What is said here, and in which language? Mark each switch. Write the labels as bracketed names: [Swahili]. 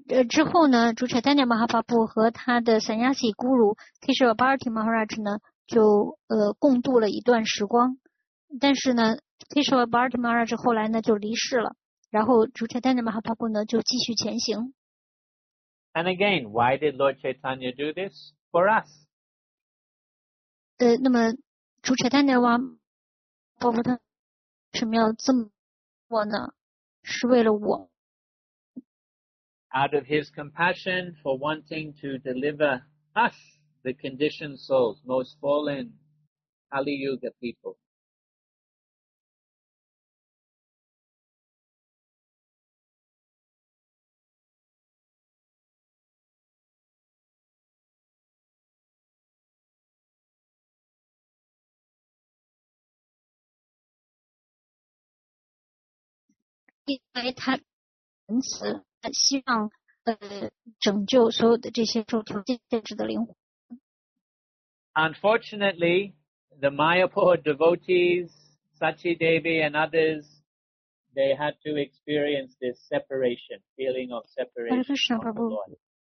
[Chinese] 之后呢，主查丹尼马哈巴布和他的三亚西古鲁 Keshava Bharati Maharaj 呢，就共度了一段时光。但是呢 ，Keshava Bharati Maharaj 后来呢就离世了，然后主查丹尼马哈巴布呢就继续前行。 [English] And again, why did Lord Chaitanya do this for us? [Chinese] 那么主查丹尼马哈巴布他为什么要这么做呢？是为了我。 [English] Out of his compassion for wanting to deliver us, the conditioned souls, most fallen Kali Yuga people. Because he. [Chinese] 希望拯救所有的这些受条件限制的灵魂。 [English] Unfortunately, the Mayapur devotees, Sachi Devi and others, they had to experience this separation, feeling of separation from the Lord.